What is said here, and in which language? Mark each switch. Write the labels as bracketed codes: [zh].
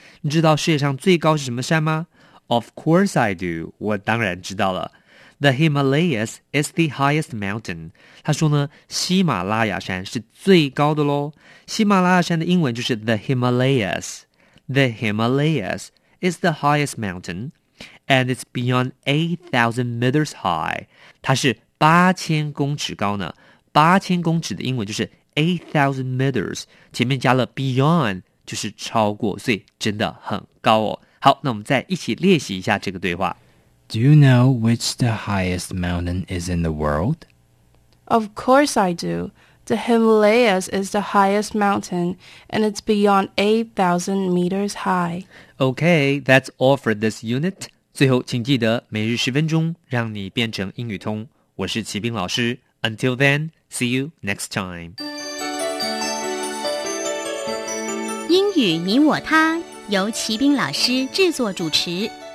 [zh] 你知道世界上最高是什么山吗？ [en] Of course I do. [zh] 我当然知道了。 [en] The Himalayas is the highest mountain. [zh] 他说呢，喜马拉雅山是最高的咯。喜马拉雅山的英文就是 [en] The Himalayas. The Himalayas. It's the highest mountain, and it's beyond 8,000 meters high. [zh] 它是8000公尺高呢。8000公尺的英文就是 8,000 meters, 前面加了 beyond, 就是超过，所以真的很高哦。好，那我们再一起练习一下这个对话。 [en] Do you know which the highest mountain is in the world? Of course I do. The Himalayas is the highest mountain, and it's beyond 8,000 meters high. Okay, that's all for this unit. [zh] 最后请记得每日十分钟让你变成英语通。我是齐斌老师。 [en] Until then, see you next time. [zh] 英语你我他由齐斌老师制作主持。